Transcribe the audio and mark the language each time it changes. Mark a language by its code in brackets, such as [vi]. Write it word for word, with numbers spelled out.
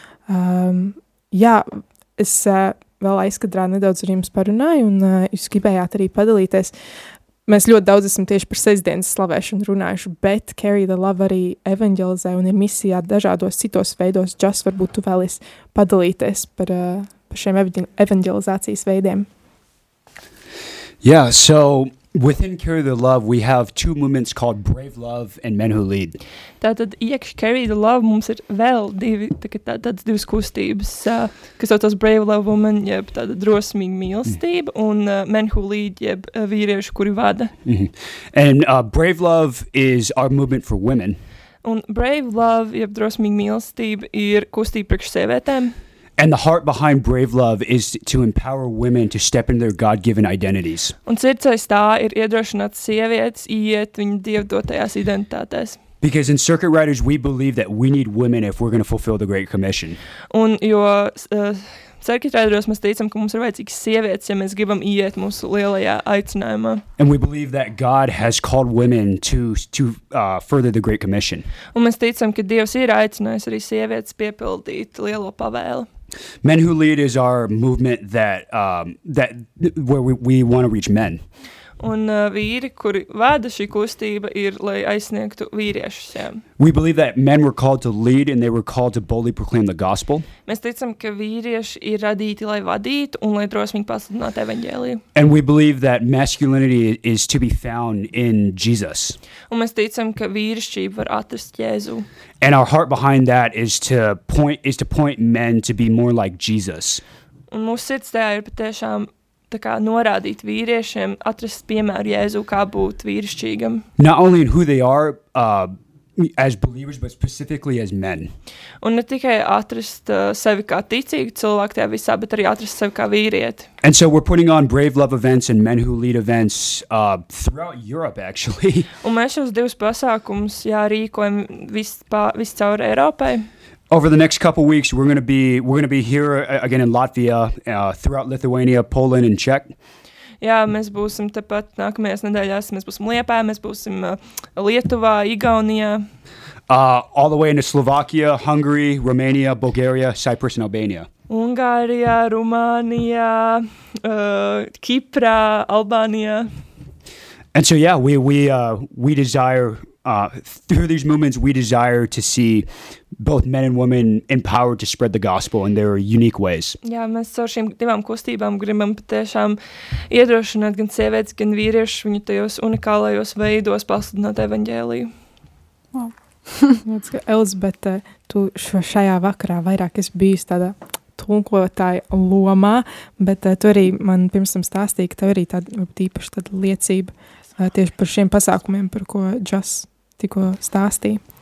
[lv] Um, jā, es uh, vēl aizkadrā nedaudz ar jums parunāju, un uh, jūs gribējāt arī padalīties. Mēs ļoti daudz esam tieši par sestdienas slavēšanu runājuši, bet Carry the Love arī evanģelizē un ir misijā dažādos citos veidos. Džas, varbūt tu vēlies padalīties par, par šiem evanģelizācijas veidiem. [en] Yeah, so within Carry the Love we have two movements called Brave Love and Men Who Lead. [lv] Tātad iekš Carry the Love mums ir vēl divi, tā, tāds divas kustības, kas saucās Brave Love Women, jeb tāda drosmīga mīlestība, mm-hmm. un uh, Men Who Lead, jeb vīrieši, kuri vada. Mm-hmm. [en] And uh, Brave Love is our movement for women. [lv] Un Brave Love, jeb drosmīga mīlestība, ir kustība priekš sievietēm. [en] And the heart behind Brave Love is to empower women to step into their God-given identities. [lv] Un sirdsais tā ir iedrošināt sievietes iet viņu dievdotajās identitātēs. [en] Because in Circuit Riders we believe that we need women if we're going to fulfill the Great Commission. [lv] Un jo uh, Circuit Rideros mēs teicam, ka mums ir vajadzīgs sievietes, ja mēs gribam iet mūsu lielajā aicinājumā. [en] And we believe that God has called women to to uh, further the Great Commission. [lv] Un mēs teicam, ka Dievs ir aicinājis arī sievietes piepildīt lielo pavēli. [en] Men Who Lead is our movement that um, that where we, we want to reach men. [lv] Un uh, vīri, kuri vada šī kustība, ir, lai aizsniegtu vīriešus. Jā. [en] We believe that men were called to lead and they were called to boldly proclaim the gospel. [lv] Mēs teicam, ka vīrieši ir radīti, lai vadītu un lai drosmīgi pasludinātu evaņģēliju. [en] And we believe that masculinity is to be found in Jesus. [lv] Un mēs teicam, ka vīrišķība var atrast Jēzu. [en] And our heart behind that is to point is to point men to be more like Jesus. [lv] Un mūsu sirds tajā ir patiešām tā kā norādīt vīriešiem, atrast piemēru Jēzu, kā būt vīrišķīgam. [en] Not only in who they are uh, as believers, but specifically as men. [lv] Un ne tikai atrast uh, sevi kā ticīgu cilvēku tajā visā, bet arī atrast sevi kā vīrieti. [en] And so we're putting on Brave Love events and Men Who Lead events uh, throughout Europe, actually. [lv] Un mēs šos divus pasākumus, jā, rīkojam vispā, viscaur Eiropai. [en] Over the next couple weeks we're going to be we're going to be here again in Latvia, uh, throughout Lithuania, Poland and Czech. [lv] Jā, mēs būsim tepat nākamajās nedēļās, mēs būsim Liepājā, mēs būsim uh, Lietuvā, Igaunijā. [en] Uh, all the way into Slovakia, Hungary, Romania, Bulgaria, Cyprus and Albania. [lv] Ungārijā, Rumānijā, uh, Kiprā, Albānijā. [en] And so yeah, we we uh, we desire Uh, through these movements, we desire to see both men and women empowered to spread the gospel in their unique ways. [lv] Jā, mēs ar šīm divām kustībām gribam patiešām iedrošināt gan sievietes, gan vīriešus viņu tajos unikālajos veidos pasludināt evaņģēliju. [en] Wow. [lv] Elizabete, tu šajā vakarā vairāk esi bijusi tādā tulkotāja lomā, bet tu arī man pirms tam stāstīji, ka tev arī tāda īpaša tāda liecība tieši par šiem pasākumiem, par ko Džas tikko stāstīja.